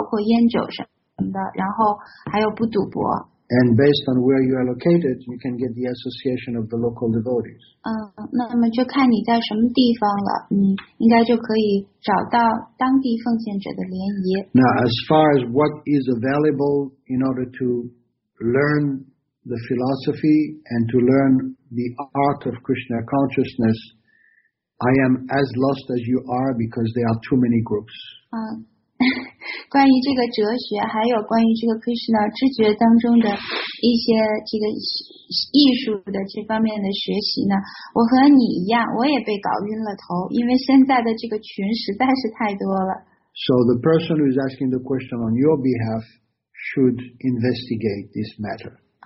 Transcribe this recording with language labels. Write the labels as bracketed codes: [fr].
[zh] 当然了，我们的这个规范原则里面还有一些戒律，比如说，就是不服用任何麻醉品，包括烟酒什么的，然后还有不赌博。 [en] And based on where you are located, you can get the association of the local devotees. [zh] 那么就看你在什么地方了，你应该就可以找到当地奉献者的联谊。 [en] Now, as far as what is available in order to learn the philosophy and to learn the art of Krishna consciousness, I am as lost as you are because there are too many groups. [zh] 关于这个哲学，还有关于这个 Krishna 知觉当中的一些这个艺术的这方面的学习呢，我和你一样，我也被搞晕了头，因为现在的这个群实在是太多了。 [en] So the person who is asking the question on your behalf should investigate this matter.